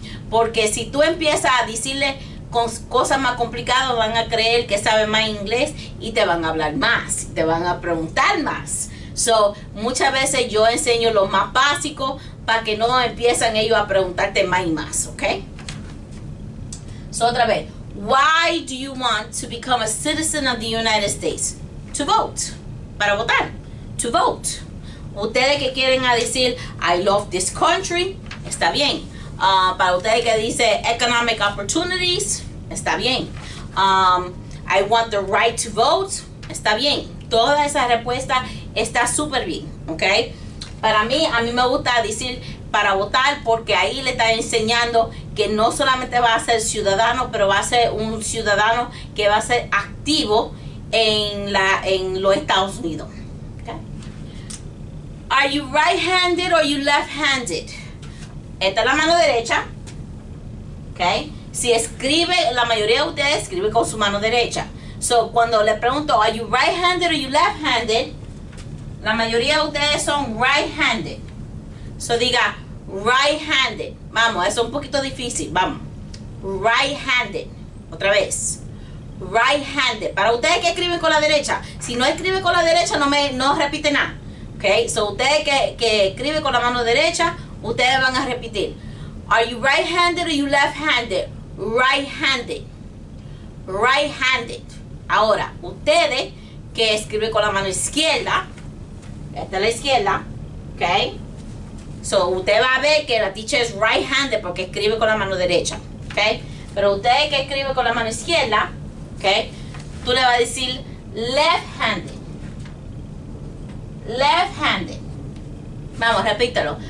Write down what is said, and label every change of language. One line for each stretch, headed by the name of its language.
Spanish: Porque si tú empiezas a decirle cosas más complicadas, van a creer que sabe más inglés y te van a hablar más, te van a preguntar más. So, muchas veces yo enseño lo más básico para que no empiezan ellos a preguntarte más y más, ¿ok? So, otra vez.
English: Why do you want to become a citizen of the United States? To vote.
Spanish: Para votar. To vote. Ustedes que quieren decir,
English: I love this country,
Spanish: está bien. Para ustedes que dice,
English: economic opportunities,
Spanish: está bien.
English: I want the right to vote,
Spanish: está bien. Toda esa respuesta está súper bien, ¿ok? Para mí, a mí me gusta decir, para votar, porque ahí le está enseñando que no solamente va a ser ciudadano, pero va a ser un ciudadano que va a ser activo en los Estados Unidos.
English: Okay. Are you right-handed or you left-handed?
Spanish: Esta es la mano derecha. Okay. Si escribe, la mayoría de ustedes escribe con su mano derecha. So, cuando le pregunto,
English: are you right-handed or you left-handed?
Spanish: La mayoría de ustedes son right-handed. So, diga, right-handed. Vamos, eso es un poquito difícil. Vamos. Right-handed. Otra vez. Right-handed. Para ustedes que escriben con la derecha, si no escribe con la derecha, no repite nada. Okay? So ustedes que escribe con la mano derecha, ustedes van a repetir.
English: Are you right-handed or you left-handed? Right-handed. Right-handed.
Spanish: Ahora, ustedes que escriben con la mano izquierda, esta es la izquierda, okay? So usted va a ver que la teacher es right-handed porque escribe con la mano derecha, okay? Pero ustedes que escriben con la mano izquierda, okay. Tú le vas a decir left-handed. Left-handed. Vamos, repítelo.